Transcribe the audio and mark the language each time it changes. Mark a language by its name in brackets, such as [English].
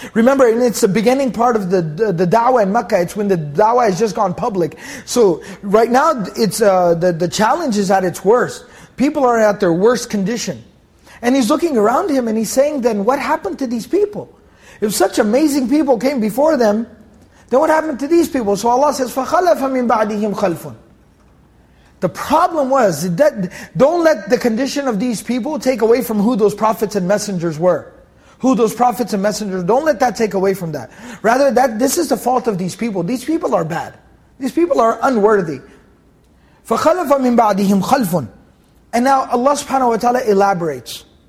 [English] Remember, and it's the beginning part of the da'wah in Mecca. It's when the da'wah has just gone public. So right now, it's the challenge is at its worst. People are at their worst condition. And he's looking around him and he's saying, then what happened to these people? If such amazing people came before them, then what happened to these people? So Allah says, [Arabic] فَخَلَفَ مِنْ بَعْدِهِمْ خَلْفٌ. [English] The problem was, that don't let the condition of these people take away from who those prophets and messengers were. Who those prophets and messengers, don't let that take away from that. Rather, that this is the fault of these people. These people are bad. These people are unworthy. [Arabic] فَخَلَفَ مِنْ بَعْدِهِمْ خَلْفٌ. [English] And now Allah subhanahu wa ta'ala elaborates.